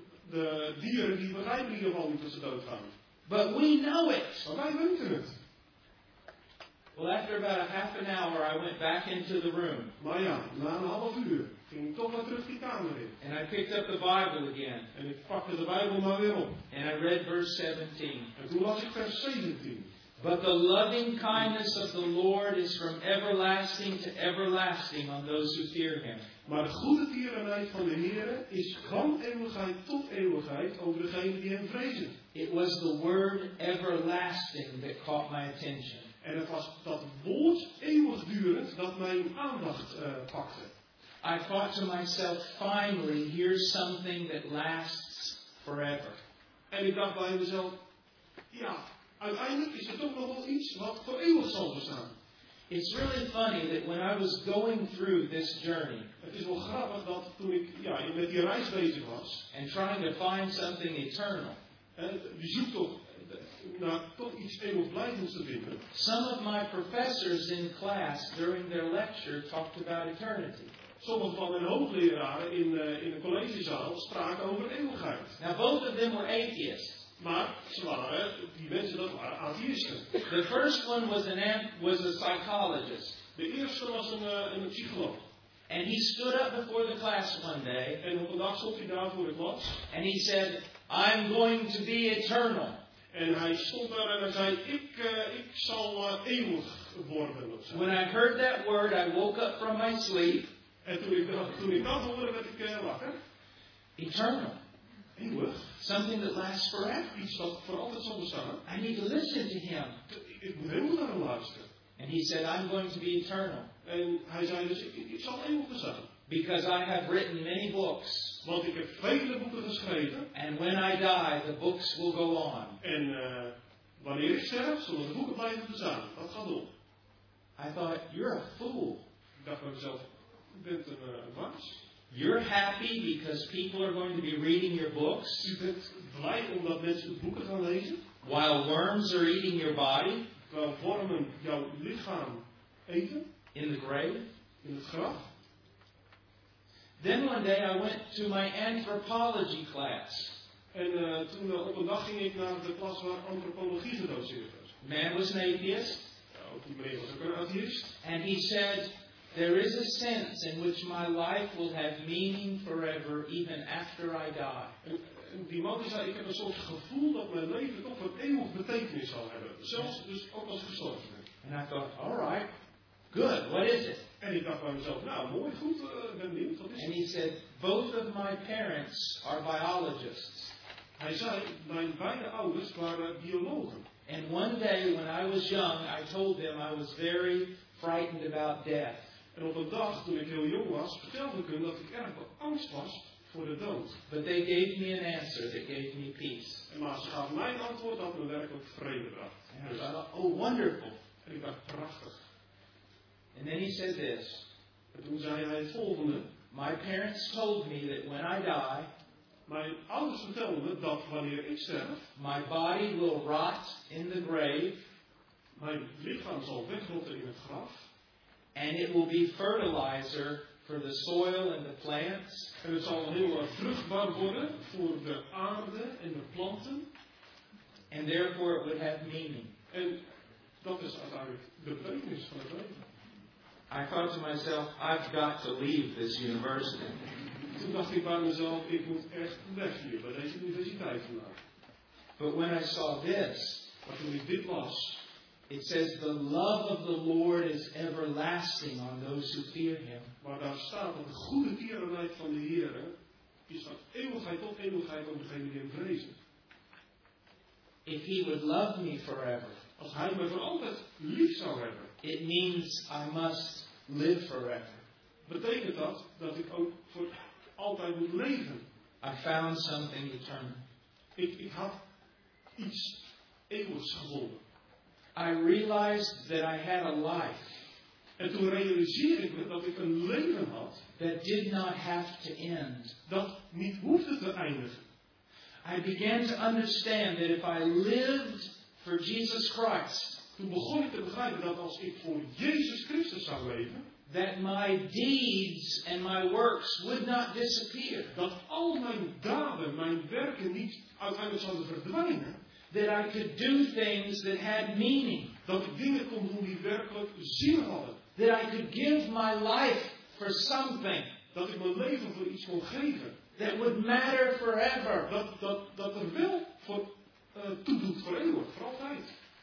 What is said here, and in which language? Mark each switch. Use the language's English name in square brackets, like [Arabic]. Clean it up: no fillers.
[Dutch] De dieren die begrijpen hier wel niet dat ze doodgaan. [English] But we know it. [Dutch] Maar wij weten het. [English] Well, after about a half an hour, I went back into the room. [Dutch] Maar ja, na een half uur ging ik toch weer terug die kamer in. [English] And I picked up the Bible again. [Dutch] En ik pakte de Bijbel maar weer op. [English] And I read verse 17. [Dutch] En toen las ik vers 17. [English] But the loving kindness of the Lord is from everlasting to everlasting on those who fear Him. [Dutch] Maar de goede tierenheid van de Heere is van eeuwigheid tot eeuwigheid over degenen die Hem vrezen. [English] It was the word everlasting that caught my attention. [Dutch] En het was dat woord eeuwigdurend dat mijn aandacht pakte. [English] I thought to myself, finally, here's something that lasts forever. [Dutch] En ik dacht bij mezelf, ja, uiteindelijk is het toch nog wel iets wat voor eeuwig zal bestaan. [English] It's really funny that when I was going through this journey, [Dutch] het is wel grappig dat toen ik met die reis bezig was, [English] and trying to find something eternal, [Dutch] je zoekt toch naar toch iets eeuwigblijvends te vinden. [English] Some of my professors in class during their lecture talked about eternity. [Dutch] Sommige van mijn hoogleraren in de collegezaal spraken over eeuwigheid. [English] Now both of them were atheists. [Dutch] Maar ze waren, die mensen, dat waren atheïsten. [English] The first one was a psychologist. [Dutch] De eerste was een psycholoog. [English] And he stood up before the class one day. [Dutch] En op een dag stond hij daar voor de klas. [English] And he said, I'm going to be eternal. [Dutch] En hij stond daar en hij zei, ik zal eeuwig worden. [English] When I heard that word, I woke up from my sleep. [Dutch] En toen ik dat hoorde, werd ik wakker. [English] Eternal. [Dutch] Eeuwig. [English] Something that lasts forever. [Dutch] Iets wat voor altijd zal bestaan. [English] I need to listen to him. [Dutch] Ik moet helemaal naar hem luisteren. [English] And he said, I'm going to be eternal. [Dutch] En hij zei dus, ik zal eeuwig bestaan. [English] Because I have written many books. [Dutch] Want ik heb vele boeken geschreven. [English] And when I die, the books will go on. [Dutch] En wanneer ik sterf, zullen de boeken blijven bestaan. Dat gaat door. [English] I thought, you're a fool. [Dutch] Ik dacht bij mezelf, bent een waas. [English] You're happy because people are going to be reading your books. [Dutch] Je bent blij omdat mensen boeken gaan lezen. [English] While worms are eating your body. [Dutch] Terwijl vormen jouw lichaam eten. [English] In the grave. [Dutch] In het graf. [English] Then one day I went to my anthropology class. [Dutch] En toen op een dag ging ik naar de klas waar antropologie gedoseerd werd. [English] Man was an atheist. [Dutch] Ja, ook die meneer was ook een atheist. [English] And he said, there is a sense in which my life will have meaning forever, even after I die. [Dutch] En die man die zei, ik heb een soort gevoel dat mijn leven toch een eeuwig betekenis zal hebben. Zelfs dus ook als gestorven. [English] And I thought, all right, good, what is it? [Dutch] En ik dacht bij mezelf, nou mooi, goed, ben benieuwd, wat is het? [English] And he said, both of my parents are biologists. [Dutch] Hij zei, mijn beide ouders waren biologen. [English] And one day when I was young, I told them I was very frightened about death. [Dutch] En op een dag toen ik heel jong was, vertelde ik hun dat ik erg angst was voor de dood. [English] But they gave me an answer that gave me peace. [Dutch] En maar ze gaf mij een antwoord dat me werkelijk vrede bracht. [English] And I thought, oh wonderful. [Dutch] En ik dacht, prachtig. [English] And then he said this. [Dutch] En toen zei hij het volgende. [English] My parents told me that when I die, [Dutch] mijn ouders vertelden me dat wanneer ik sterf, [English] my body will rot in the grave. [Dutch] Mijn lichaam zal wegrotten in het graf. [English] And it will be fertilizer for the soil and the plants. [Dutch] En het zal heel vruchtbaar worden voor de aarde en de planten. [English] And therefore it would have meaning. [Dutch] En dat is uiteindelijk de betekenis van het leven. [English] I thought to myself, I've got to leave this university. [Dutch] Toen dacht ik bij mezelf, ik moet echt weg hier bij deze universiteit vandaag. [English] But when I saw this, [Dutch] maar toen ik dit las, [English] it says the love of the Lord is everlasting on those who fear Him. [Dutch] Maar daar staat dat de goede tierenheid van de Heere is van eeuwigheid tot eeuwigheid om degene die Hem vrezen. [English] If He would love me forever, [Dutch] als Hij me voor altijd lief zou hebben, [English] it means I must live forever. [Dutch] Betekent dat ik ook voor altijd moet leven? [English] I found something eternal. [Dutch] Ik had iets eeuwigs gevonden. [English] I realized that I had a life. [Dutch] En toen realiseerde ik me dat ik een leven had. [English] That did not have to end. [Dutch] Dat niet hoefde te eindigen. [English] I began to understand that if I lived for Jesus Christ. [Dutch] Toen begon ik te begrijpen dat als ik voor Jezus Christus zou leven, [English] that my deeds and my works would not disappear. [Dutch] Dat al mijn daden, mijn werken niet uiteindelijk zouden verdwijnen. [English] That I could do things that had meaning. [Dutch] Dat ik dingen kon doen die werkelijk zin hadden. [English] That I could give my life for something. [Dutch] Dat ik mijn leven voor iets kon geven. [English] That would matter forever. [Dutch] Dat er wel voor toe doet voor eeuwig, voor altijd.